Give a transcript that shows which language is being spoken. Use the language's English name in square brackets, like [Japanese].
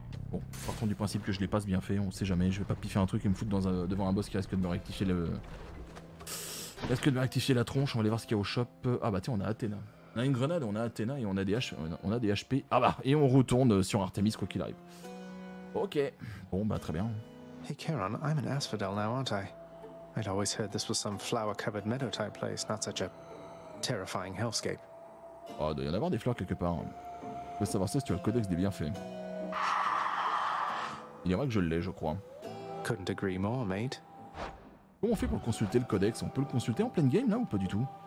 [French] Bon, partons du principe que je l'ai pas ce bienfait, on sait jamais, je vais pas piffer un truc et me foutre dans un, devant un boss qui risque de me rectifier le... Est-ce que de me rectifier la tronche, on va aller voir ce qu'il y a au shop. Ah bah tiens, on a Athéna. On a une grenade, on a Athéna et on a des HP. Ah bah, et on retourne sur Artemis quoi qu'il arrive. Ok. Bon bah très bien. [English] Hey Charon, I'm an Asphodel now, aren't I? I'd always heard this was some flower-covered meadow type place, not such a terrifying hellscape. [French] Oh, il doit y en avoir des fleurs quelque part. Hein. Je veux savoir ça si tu as le codex des bienfaits. Il y en a que je l'ai, je crois. [English] Couldn't agree more, mate. [French] Comment on fait pour consulter le codex? On peut le consulter en pleine game là ou pas du tout?